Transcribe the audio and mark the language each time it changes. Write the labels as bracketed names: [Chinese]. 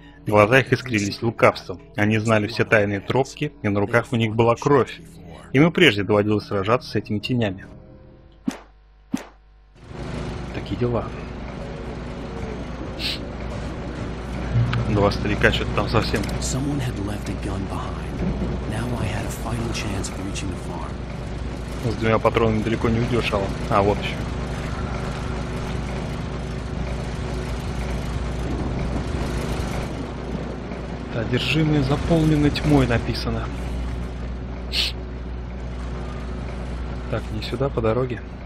[Russian] Глаза их искрились лукавством. Они знали все тайные тропки, и на руках у них была кровь. Им и прежде доводилось сражаться с этими тенями. Такие дела. Два старика что-то там совсем. [English] Someone had left a gun behind. Now I had a final chance of reaching the farm. [Russian] С двумя патронами далеко не уйдешь, Алан. А вот еще. Одержимые заполнены тьмой, написано. Так, не сюда, по дороге.